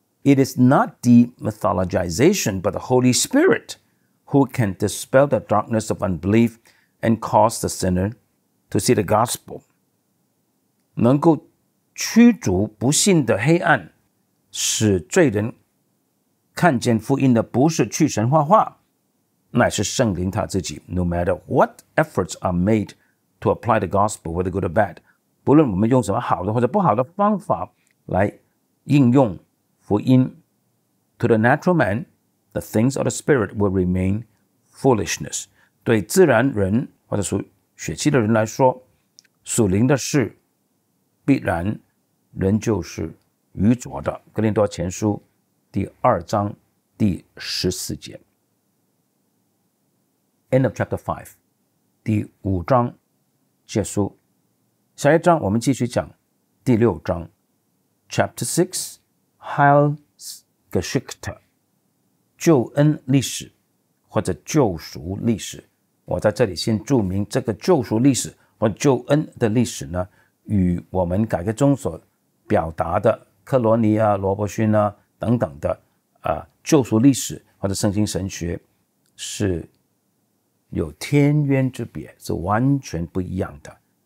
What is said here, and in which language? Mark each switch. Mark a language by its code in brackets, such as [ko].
[en] It is not demythologization, but the Holy Spirit who can dispel the darkness of unbelief and cause the sinner to see the gospel. [zh] 能够驱逐不信的黑暗，使罪人看见福音的不是去神画画，乃是圣灵他自己。 [en] No matter what efforts are made to apply the gospel, whether good or bad, [zh] 不论我们用什么好的或者不好的方法来应用福音 [en] to the natural man, the things of the spirit will remain foolishness. [zh] 对自然人或者属血气的人来说，属灵的事必然仍旧是愚拙的。哥林多前书第二章第十四节。 [en] End of chapter 5, [zh] 第五章结束。下一章我们继续讲第六章 , [en] Chapter 6, [zh] Heilsgeschichte, 救恩历史或者救赎历史。我在这里先注明这个救赎历史或救恩的历史呢，与我们改革中所表达的克罗尼啊、罗伯逊啊等等的救赎历史或者圣经神学是有天渊之别，是完全不一样的。